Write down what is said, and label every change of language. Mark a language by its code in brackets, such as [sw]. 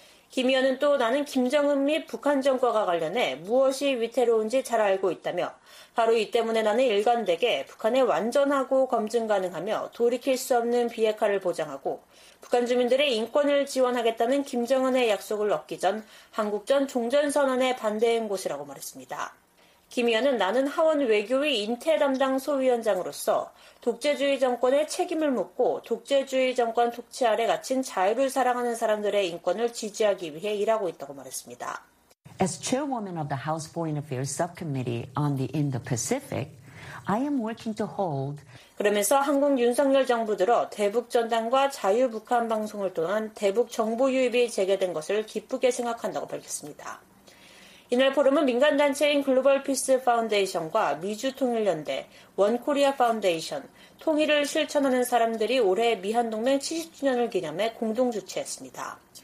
[ko] 김 의원은 또 나는 김정은 및 북한 정권과 관련해 무엇이 위태로운지 잘 알고 있다며 바로 이 때문에 나는 일관되게 북한의 완전하고 검증 가능하며 돌이킬 수 없는 비핵화를 보장하고 북한 주민들의 인권을 지원하겠다는 김정은의 약속을 얻기 전 한국전 종전선언에 반대한 곳이라고 말했습니다. 김 의원은 나는 하원 외교위 인태 담당 소위원장으로서 독재주의 정권에 책임을 묻고 독재주의 정권 독치 아래 갇힌 자유를 사랑하는 사람들의 인권을 지지하기 위해 일하고 있다고 말했습니다. [en] As chairwoman of the House Foreign Affairs Subcommittee on the Indo-Pacific, I am working to hold. [ko] 그러면서 한국 윤석열 정부 들어 대북 전단과 자유 북한 방송을 통한 대북 정보 유입이 재개된 것을 기쁘게 생각한다고 밝혔습니다. 이날 포럼은 민간단체인 글로벌 피스 파운데이션과 미주통일연대, 원코리아 파운데이션, 통일을 실천하는 사람들이 올해 미한동맹 70주년을 기념해 공동 주최했습니다.